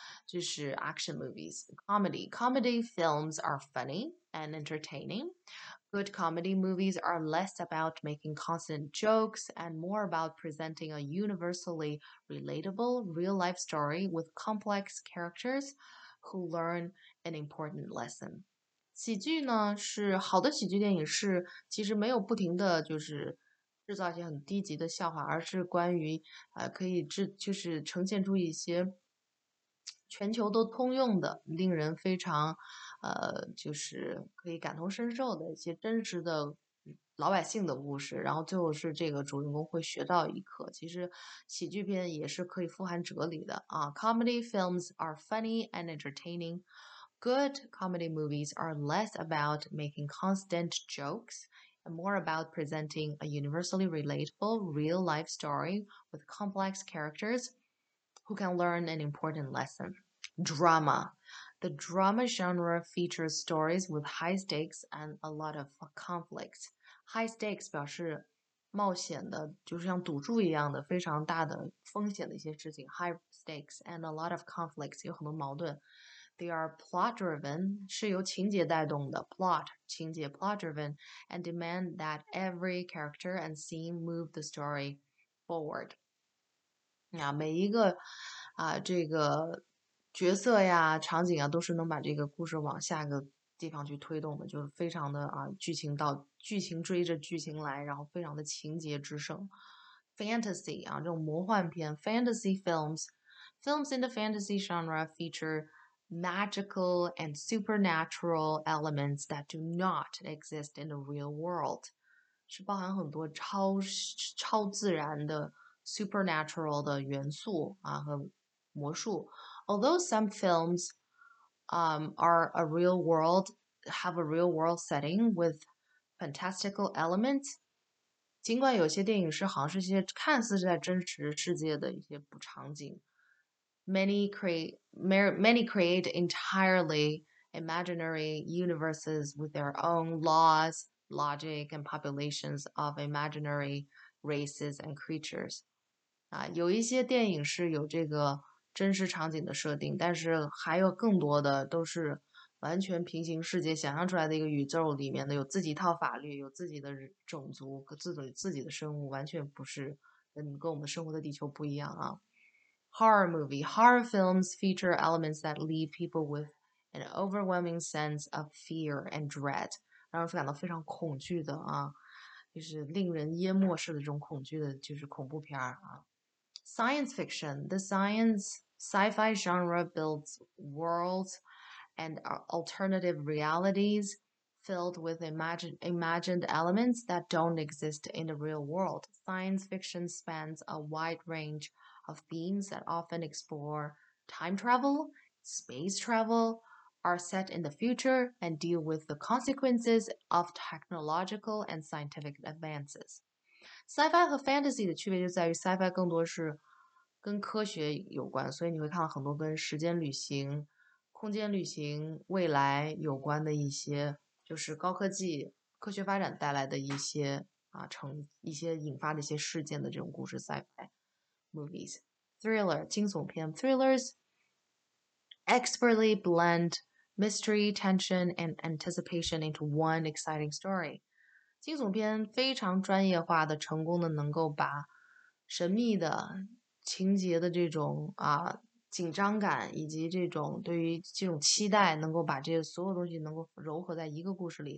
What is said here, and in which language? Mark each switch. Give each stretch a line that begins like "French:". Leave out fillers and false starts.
Chinese: 就是
English: action movies, comedy. Comedy films are funny and entertaining. Good comedy movies are less about making constant jokes and more about presenting a universally relatable real-life story with complex characters who learn an important lesson.
Chinese: 喜剧呢，是好的喜剧电影是其实没有不停的就是制造一些很低级的笑话，而是关于可以就是呈现出一些全球都通用的，令人非常，就是可以感同身受的一些真实的老百姓的故事，然后最后是这个主人公会学到一课。其实喜剧片也是可以富含哲理的啊。
English: Comedy films are funny and entertaining. Good comedy movies are less about making constant jokes and more about presenting a universally relatable real life story with complex characters. Who can learn an important lesson? Drama. The drama genre features stories with high stakes and a lot of conflict.
Chinese: High stakes 表示冒险的，就是像赌注一样的，非常大的风险的一些事情。
English: High stakes and a lot of conflicts
Chinese: 有很多矛盾。
English: They are plot-driven,
Chinese: 是由情节带动的
English: plot, 情节 plot-driven, and demand that every character and scene move the story forward.
Chinese: 啊、每一个啊、这个角色呀场景啊都是能把这个故事往下个地方去推动的，就是非常的啊剧情追着剧情来，然后非常的情节之盛。
English: Fantasy
Chinese: 啊，这种魔幻片
English: Fantasy films in the fantasy genre feature magical and supernatural elements that do not exist in the real world，
Chinese: 是包含很多超自然的
English: supernatural
Chinese: 的元素啊和魔术。
English: Although some films have a real world setting with fantastical elements,
Chinese: 尽管有些电影是好像是一些看似是在真实世界的一些场景，
English: many create entirely imaginary universes with their own laws, logic, and populations of imaginary races and creatures.
Chinese: 啊、有一些电影是有这个真实场景的设定，但是还有更多的都是完全平行世界想象出来的一个宇宙里面的，有自己一套法律，有自己的种族，自己的生物，完全不是跟我们生活的地球不一样啊。
English: Horror movie. Horror films feature elements that leave people with an overwhelming sense of fear and dread.
Chinese: 让人感到非常恐惧的啊。就是令人淹没式的这种恐惧的，就是恐怖片啊。
English: Science fiction, the science sci-fi genre builds worlds and alternative realities filled with imagined elements that don't exist in the real world. Science fiction spans a wide range of themes that often explore time travel, space travel, are set in the future and deal with the consequences of technological and scientific advances.
Chinese: Sci-fi 和 fantasy 的区别就在于 sci-fi 更多是跟科学有关，所以你会看到很多跟时间旅行、空间旅行、未来有关的一些，就是高科技、科学发展带来的一些啊成一些引发的一些事件的这种故事。
English: Sci-fi movies, thriller 惊悚片 thrillers. Expertly blend mystery, tension, and anticipation into one exciting story.
Chinese: 惊悚片非常专业化的成功的能够把神秘的情节的这种啊紧张感以及这种对于这种期待能够把这些所有东西能够融合在一个故事里。